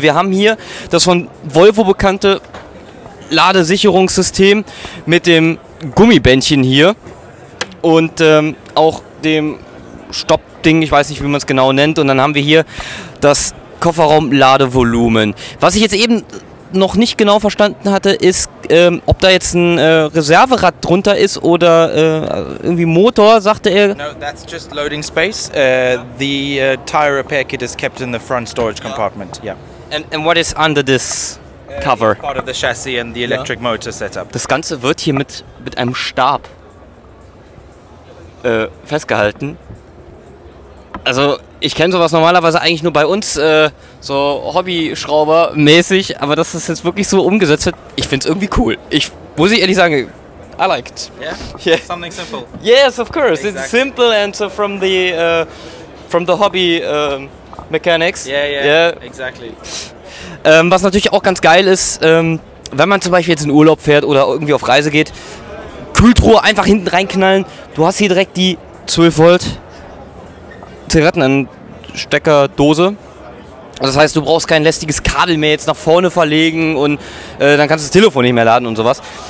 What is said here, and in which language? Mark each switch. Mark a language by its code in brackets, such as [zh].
[de] Wir haben hier das von Volvo bekannte Ladesicherungssystem mit dem Gummibändchen hier und auch dem Stoppding, ich weiß nicht, wie man es genau nennt. Und dann haben wir hier das Kofferraum-Ladevolumen. Was ich jetzt eben noch nicht genau verstanden hatte, ist, ob da jetzt ein Reserverad drunter ist oder irgendwie Motor, sagte er. [en] No, that's just loading space. The tire repair kit is kept in the front storage compartment. Yeah. And what is under this cover? Part of the chassis and the electric motor setup. [de] Das Ganze wird hier mit einem Stab festgehalten. Also ich kenne sowas normalerweise eigentlich nur bei uns, so Hobby-Schrauber-mäßig, aber dass das jetzt wirklich so umgesetzt wird, ich finde es irgendwie cool. Ich muss ehrlich sagen, [en] I liked. Yeah? Yeah. Something simple. Yes, of course. Exactly. It's simple and so from the hobby mechanics. Yeah. Exactly. [de] Was natürlich auch ganz geil ist, wenn man zum Beispiel jetzt in Urlaub fährt oder irgendwie auf Reise geht, Kühltruhe einfach hinten reinknallen. Du hast hier direkt die 12 Volt Zigarettenansteckerdose. Das heißt, du brauchst kein lästiges Kabel mehr jetzt nach vorne verlegen und dann kannst du das Telefon nicht mehr laden und sowas.